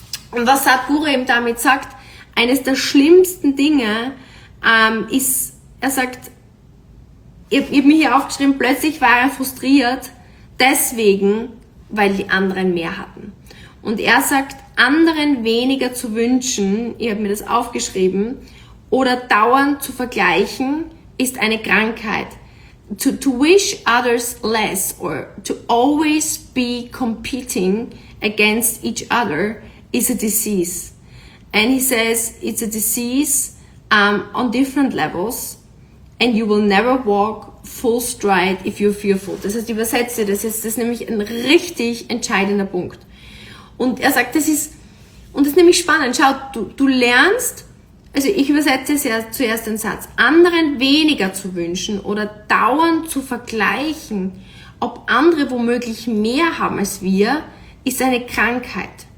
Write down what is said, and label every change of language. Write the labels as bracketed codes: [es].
[de] Und was Satguru eben damit sagt, eines der schlimmsten Dinge ist, er sagt, ich hab mir hier aufgeschrieben, plötzlich war er frustriert, deswegen, weil die anderen mehr hatten. Und er sagt, anderen weniger zu wünschen, ich habe mir das aufgeschrieben, oder dauernd zu vergleichen, ist eine Krankheit. [en] To wish others less or to always be competing against each other is a disease. And he says it's a disease on different levels and you will never walk full stride if you're fearful. [de] Das heißt, übersetze, das ist nämlich ein richtig entscheidender Punkt. Und er sagt, das ist nämlich spannend. Schau, du lernst. Also ich übersetze zuerst den Satz, anderen weniger zu wünschen oder dauernd zu vergleichen, ob andere womöglich mehr haben als wir, ist eine Krankheit.